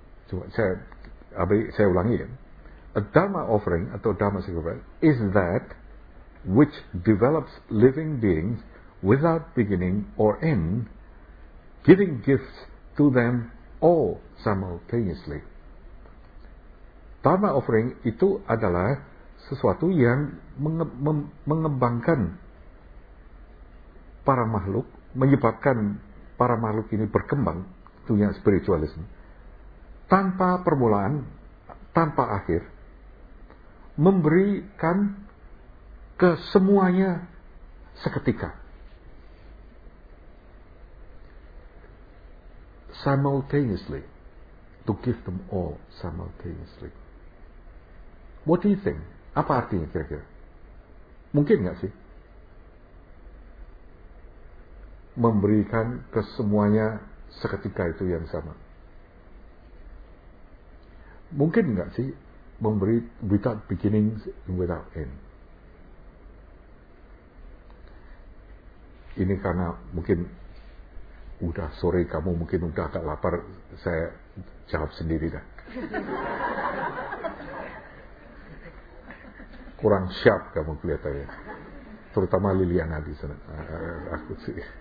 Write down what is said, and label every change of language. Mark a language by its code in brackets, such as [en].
[id] Coba saya ulangi ya. [en] A dharma offering [id] atau [en] dharma sacrifice is that which develops living beings without beginning or end, giving gifts to them all simultaneously. [id] Dharma offering itu adalah sesuatu yang mengembangkan para makhluk, menyebabkan para makhluk ini berkembang, dunia spiritualism, tanpa permulaan, tanpa akhir, memberikan ke semuanya seketika. [en] Simultaneously. To give them all simultaneously. What do you think? [id] Apa artinya kira-kira? Mungkin gak sih? Memberikan ke semuanya seketika itu yang sama. Mungkin gak sih? Memberi [en] without beginning and without end. [id] Ini karena mungkin udah sore, kamu mungkin udah agak lapar, saya jawab sendiri dah. Kurang sharp kamu kelihatannya, terutama Liliana di sana. Aku sih.